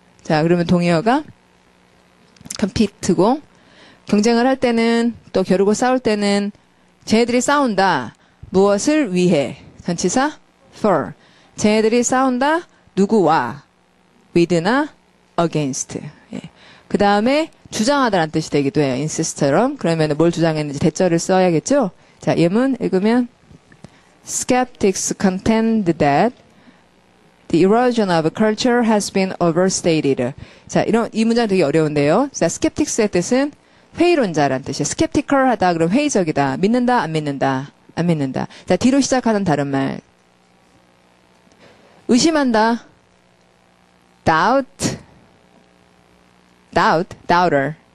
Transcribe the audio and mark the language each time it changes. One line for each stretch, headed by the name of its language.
Korean: 자, 그러면 동의어가 compete고 경쟁을 할 때는 또 겨루고 싸울 때는 쟤네들이 싸운다. 무엇을 위해? 전치사 for. 쟤네들이 싸운다 누구와? with나 against. 예. 그 다음에 주장하다란 뜻이 되기도 해요. insist처럼. 그러면 뭘 주장했는지 대절을 써야겠죠? 자, 예문 읽으면
English: skeptics contend that the erosion of culture has been overstated.
Korean: 자, 이런 이 문장 되게 어려운데요. 자, skeptics의 뜻은 회의론자란 뜻이에요. skeptical하다 그럼 회의적이다. 믿는다 안 믿는다? 안 믿는다. 자, 뒤로 시작하는 다른 말. 의심한다. doubt. doubt, doubter.